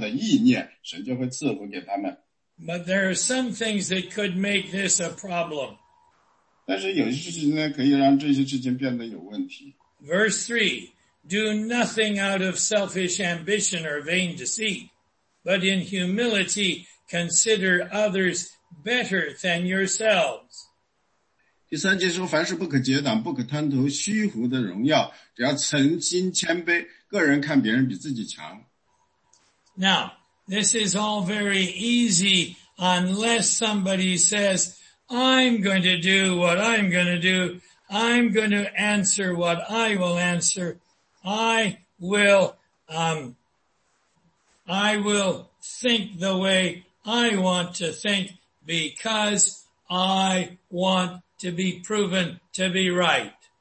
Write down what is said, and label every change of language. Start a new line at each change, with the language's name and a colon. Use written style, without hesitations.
Chinese: 这就是当时在腓立比所发生的事情，他们当时呢，在一起，他们在一起，然后呢，他们互相又神的圣灵跟他们也在一起，他们有同样的意念，神就会赐福给他们。
English: But there are some things that could make this a problem.
Chinese: 但是有些事情呢，可以让这些事情变得有问题。
English: Verse 3, do nothing out of selfish ambition or vain deceit, but in humility consider others better than yourselves.
Chinese: 第三节说，凡事不可结党，不可贪图虚浮的荣耀，只要存心谦卑，个人看别人比自己强。Now,
English: this is all very easy unless somebody says, I'm going to do what I'm going to do. I'm going to answer what I will answer. I will think the way I want to think because I want to be proven to be right.